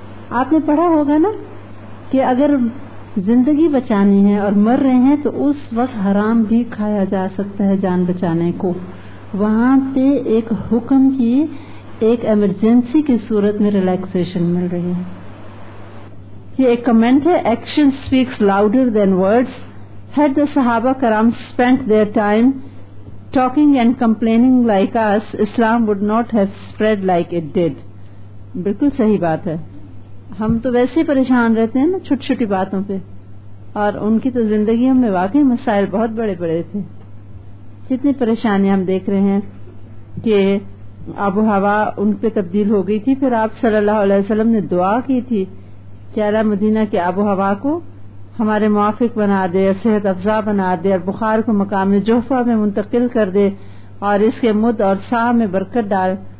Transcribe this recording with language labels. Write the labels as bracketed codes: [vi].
[ur] آپ نے پڑھا ہوگا نا کہ اگر زندگی بچانی ہے اور مر رہے ہیں تو اس وقت حرام بھی کھایا جا سکتا ہے جان بچانے کو. وہاں پہ ایک حکم کی ایک ایمرجنسی کی صورت میں ریلیکسیشن مل رہی ہے. یہ ایک کمنٹ ہے, [en] Action speaks louder than words. Had the Sahaba Karam spent their time talking and complaining like us, Islam would not have spread like it did. [ur] بالکل صحیح بات ہے. ہم تو ویسے پریشان رہتے ہیں نا چھوٹی چھوٹی باتوں پہ, اور ان کی تو زندگیوں میں واقعی مسائل بہت بڑے بڑے تھے. کتنی پریشانیاں ہم دیکھ رہے ہیں کہ آب و ہوا ان پہ تبدیل ہو گئی تھی. پھر آپ صلی اللہ علیہ وسلم نے دعا کی تھی کہ اللہ مدینہ کے آب و ہوا کو ہمارے موافق بنا دے, صحت افزا بنا دے, اور بخار کو مقام جوفہ میں منتقل کر دے, اور اس کے مد اور ساہ میں برکت ڈال.